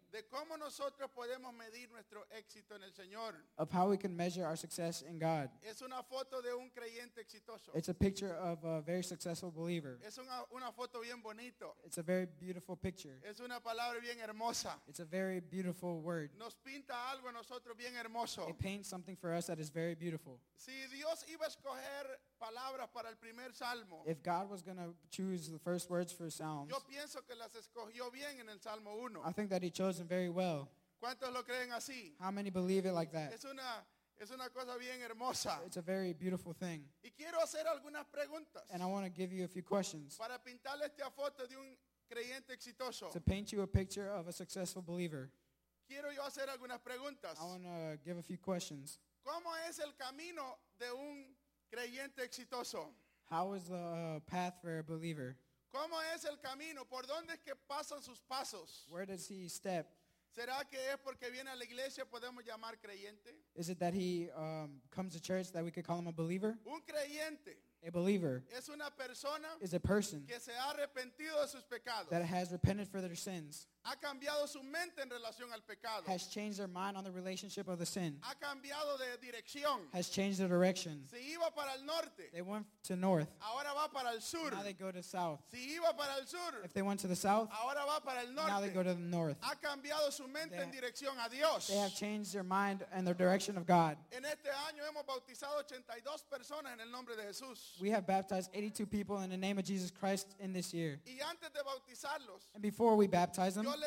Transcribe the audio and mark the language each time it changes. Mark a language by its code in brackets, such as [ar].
[es] de cómo nosotros podemos medir nuestro éxito en el Señor. [en] Of how we can measure our success in God. [es] Es una foto de un creyente exitoso. [en] It's a picture of a very successful believer. [es] Es una foto bien bonito. [en] It's a very beautiful picture. [es] Es una palabra bien hermosa. [en] It's a very beautiful word. [es] Nos pinta algo a nosotros bien hermoso. [en] It paints something for us that is very beautiful. [es] Si Dios iba a escoger palabras para el primer salmo, [en] if God was going to choose the first words for Psalms, [es] yo pienso que las escogió bien en el Salmo 1. [en] I think that he chose them very well. [es] ¿Cuántos lo creen así? [en] How many believe it like that? [es] Es una cosa bien hermosa. [en] It's a very beautiful thing. [es] Y quiero hacer algunas preguntas. [en] And I want to give you a few questions. [es] Para pintarle esta foto de un creyente exitoso. [en] To paint you a picture of a successful believer. [es] Quiero yo hacer algunas preguntas. [en] I want to give a few questions. [es] ¿Cómo es el camino de un creyente exitoso? [en] How is the path for a believer? [es] ¿Cómo es el camino? ¿Por dónde es que pasan sus pasos? [en] Where does he step? [es] ¿Será que es porque viene a la iglesia podemos llamar creyente? [en] Is it that he comes to church that we could call him a believer? [es] Un creyente. [en] A believer. [es] Es una persona. [en] Is a person. [es] Que se ha arrepentido de sus pecados. [en] That has repented for their sins. [es] Ha cambiado su mente en relación al pecado. [en] Has changed their mind on the relationship of the sin. [es] Ha cambiado de dirección. [en] Has changed the direction. [es] Si iba para el norte. [en] They went to north. [es] Ahora va para el sur. [en] Now they go to south. [es] Si iba para el sur. [en] If they went to the south. [es] Ahora va para el norte. [en] Now they go to the north. [es] Ha cambiado su mente en dirección a Dios. [en] They have changed their mind and their direction of God. [es] En este año hemos bautizado 82 personas en el nombre de Jesús. [en] We have baptized 82 people in the name of Jesus Christ in this year. [es] Y antes de bautizarlos. [en] And before we baptize them.